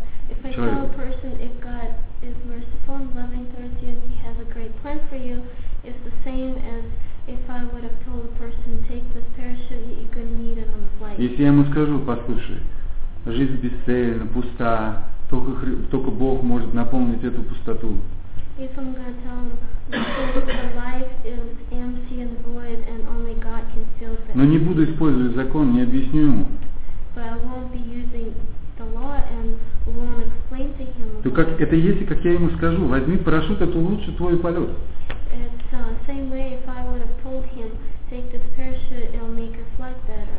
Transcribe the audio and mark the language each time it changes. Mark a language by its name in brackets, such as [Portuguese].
[English] If I tell a person if God is merciful and loving towards you and he has a great plan for you, it's the same as if I would have told a person take this parachute, you're going to need it on the flight. [Russian] Если я ему скажу, послушай, жизнь бесцельна, пуста, только Бог может наполнить эту пустоту. [English] If I'm going to tell him that life is empty and void and only God can fill that. [Russian] Но не буду использовать закон, не объясню ему. [English] But I won't be using the law and won't explain to him. [Russian] То как это если как я ему скажу, возьми парашют, это улучшит твой полет. [English] It's the same way if I would have told him, take this parachute, it'll make your flight better.